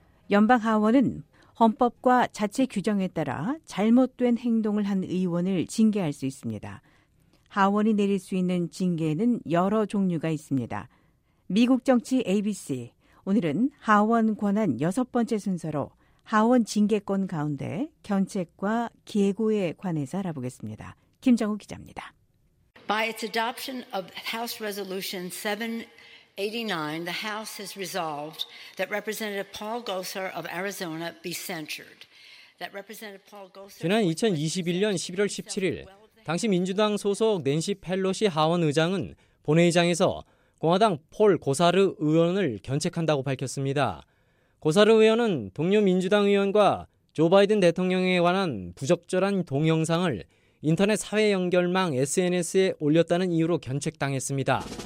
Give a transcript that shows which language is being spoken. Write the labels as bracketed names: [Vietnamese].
[Korean] 연방 하원은 헌법과 자체 규정에 따라 잘못된 행동을 한 의원을 징계할 수 있습니다. 하원이 내릴 수 있는 징계에는 여러 종류가 있습니다. 미국 정치 ABC, 오늘은 하원 권한 여섯 번째 순서로 하원 징계권 가운데 견책과 기해고에 관해서 알아보겠습니다. 김정우 기자입니다. [English] By its adoption of House Resolution 789, the House has resolved that Representative Paul Gosar of Arizona be censured. That Representative Paul Gosar. [Korean] 지난 2021년 11월 17일, 당시 민주당 소속 낸시 펠로시 하원 의장은 본회의장에서 공화당 폴 고사르 의원을 견책한다고 밝혔습니다. 고사르 의원은 동료 민주당 의원과 조 바이든 대통령에 관한 부적절한 동영상을 인터넷 사회연결망 SNS에 올렸다는 이유로 견책당했습니다.